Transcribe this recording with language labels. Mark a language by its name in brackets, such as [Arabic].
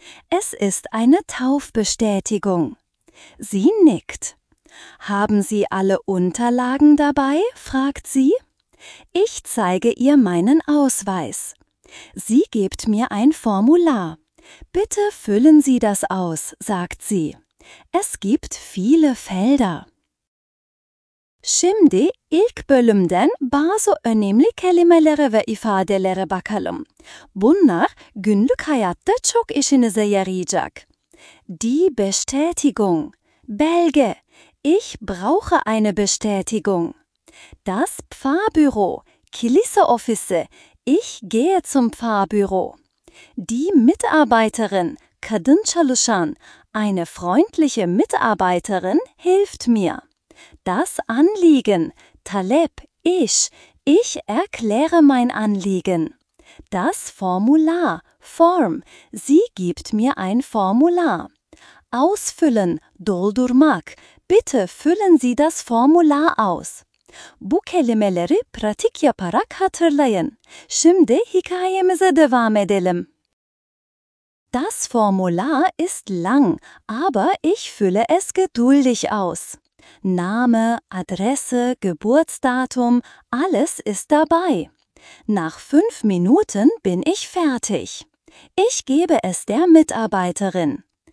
[German] Es ist eine Taufbestätigung. Sie nickt. Haben Sie alle Unterlagen dabei? Fragt sie. Ich zeige ihr meinen Ausweis. Sie gibt mir ein Formular. Bitte füllen Sie das aus, sagt sie. Es gibt viele Felder. [Turkish] Şimdi ilk bölümden bazı önemli kelimeleri ve ifadeleri bakalım. Bunlar günlük hayatta çok işinize yarayacak. [German] Die Bestätigung. Belge. Ich brauche eine Bestätigung. Das Pfarrbüro. [Turkish] Kilise Office. [German] Ich gehe zum Pfarrbüro. Die Mitarbeiterin. [Turkish] Kadın çalışan. [German] Eine freundliche Mitarbeiterin hilft mir. Das Anliegen, Talep, ich erkläre mein Anliegen. Das Formular, Form, sie gibt mir ein Formular. Ausfüllen, doldurmak, bitte füllen Sie das Formular aus. [Turkish] Bu kelimeleri pratik yaparak hatırlayın. Şimdi hikayemize devam edelim. [German] Das Formular ist lang, aber ich fülle es geduldig aus. Name, Adresse, Geburtsdatum, alles ist dabei. Nach 5 Minuten bin ich fertig. Ich gebe es der Mitarbeiterin.